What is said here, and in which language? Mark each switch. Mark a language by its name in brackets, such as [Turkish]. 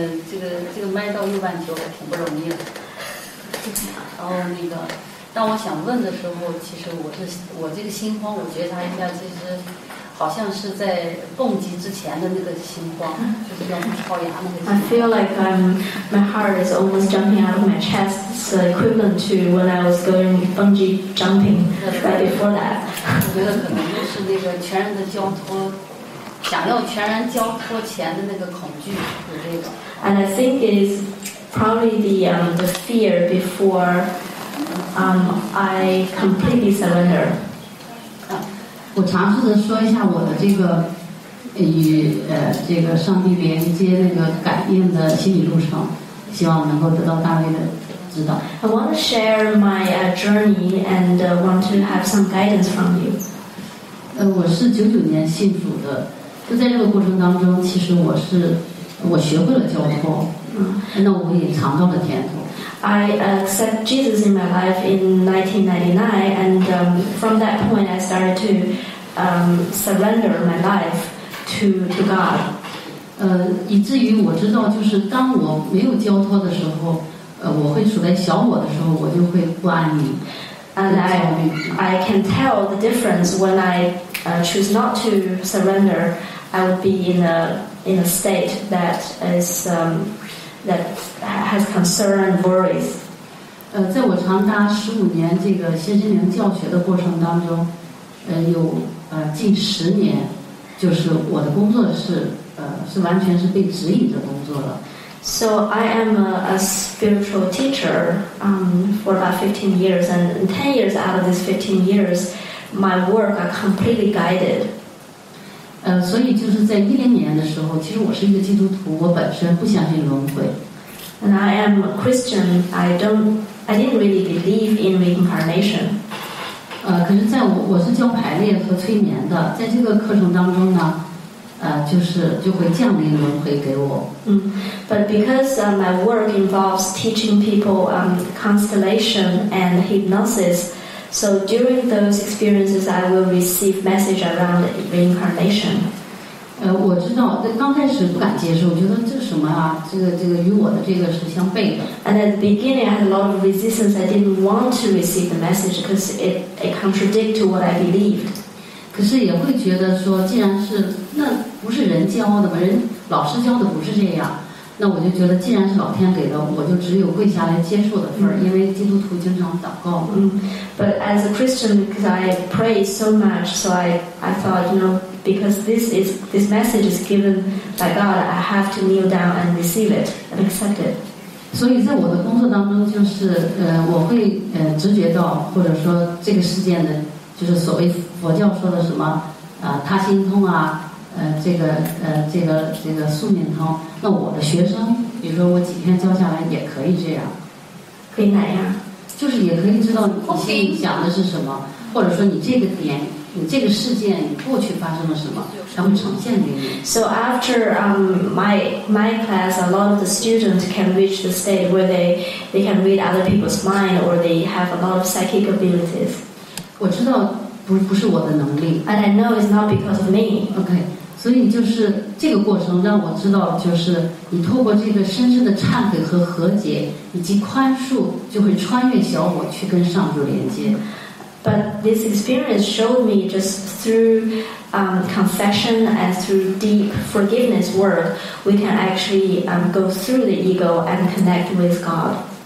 [Chinese] 这个麦到右半球还挺不容易的。然后那个，当我想问的时候，其实我这个心慌，我觉察一下，其实好像是在蹦极之前的那个心慌，就是要跳崖那个心慌。 [English] I feel like my heart is almost jumping out of my chest. It's equivalent to when I was going bungee jumping right before that. [Chinese] 我觉得可能就是那个全然的交托。想要全然交托前的那个恐惧是这个。 [English] And I think it's probably the fear before I completely surrender. [Chinese] 我尝试着说一下我的这个与这个上帝连接那个感应的心理路程，希望能够得到大卫的指导。 [English] I want to share my journey and want to have some guidance from you. [Chinese] 我是1999年信主的。就在这个过程当中，其实我学会了交托，那我也尝到了甜头。 [English] I accept Jesus in my life in 1999, and from that point, I started to surrender my life to God. [Chinese] 以至于我知道，就是当我没有交托的时候，我会处在小我的时候，我就会不安宁。 [English] And I can tell the difference when I choose not to surrender. I would be in a state that is that has concern and worries. [Chinese] 在我长达15年这个新心灵教学的过程当中，有近10年，就是我的工作是完全是被指引着工作了。 [English] So I am a spiritual teacher for about 15 years, and 10 years out of these 15 years, my work are completely guided. [Chinese] 所以就是在2010年的时候，其实我是一个基督徒，我本身不相信轮回。 [English] And I am a Christian. I didn't really believe in reincarnation. [Chinese] 可是在我是教排列和催眠的，在这个课程当中呢，就会降临轮回给我。 [English] But because my work involves teaching people constellation and hypnosis. So during those experiences, I will receive message around reincarnation. [Chinese] 我知道，但刚开始不敢接受，觉得这是什么啊？这个与我的这个是相悖的。 [English] And at the beginning, I had a lot of resistance. I didn't want to receive the message because it contradicted to what I believed. [Chinese] 可是也会觉得说，既然是那不是人教的嘛，人老师教的不是这样。那我就觉得，既然是老天给的，我就只有跪下来接受的份儿，因为基督徒经常祷告。 [English] But as a Christian, because I pray so much, so I thought, you know, because this message is given by God, I have to kneel down and receive it and accept it. [Chinese] 所以在我的工作当中，就是我会直觉到，或者说这个事件的，就是所谓佛教说的什么他心通啊。这个素面通，那我的学生，比如说我几天教下来也可以这样，可以哪样？就是也可以知道你心里想的是什么，或者说你这个点，你这个事件过去发生了什么，然后呈现给你。 [English] So after my class, a lot of the students can reach the state where they can read other people's mind or they have a lot of psychic abilities. [Chinese] 我知道。不是我的能力。 [English] And I know it's not because of me. [Chinese] Okay, 所以就是这个过程让我知道，就是你透过这个深深的忏悔和和解以及宽恕，就会穿越小我去跟上主连接。 [English] But But this experience showed me just through confession and through deep forgiveness work, we can actually go through the ego and connect with God.